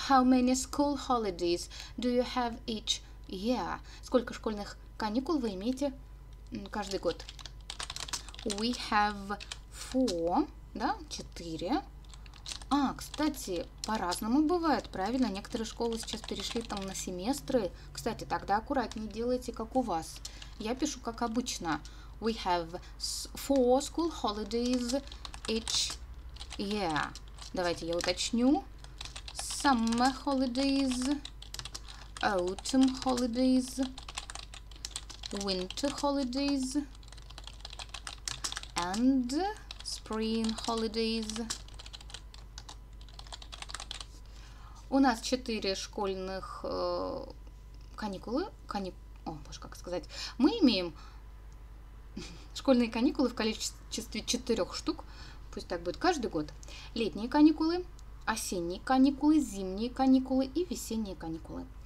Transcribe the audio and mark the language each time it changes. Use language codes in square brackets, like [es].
[en] How many school holidays do you have each year? [ru] Сколько школьных каникул вы имеете каждый год? [en] We have four, [ru] да, четыре. А, кстати, по-разному бывает, правильно? Некоторые школы сейчас перешли там на семестры. Кстати, тогда аккуратнее делайте, как у вас. Я пишу, как обычно. [en] We have four school holidays each year. [ru] Давайте я уточню. [en] Summer holidays, autumn holidays, winter holidays and spring holidays. [ru] У нас 4 школьных каникулы. О, боже, как сказать. Мы имеем школьные каникулы в количестве 4 штук. Пусть так будет каждый год. Летние каникулы, осенние каникулы, зимние каникулы и весенние каникулы.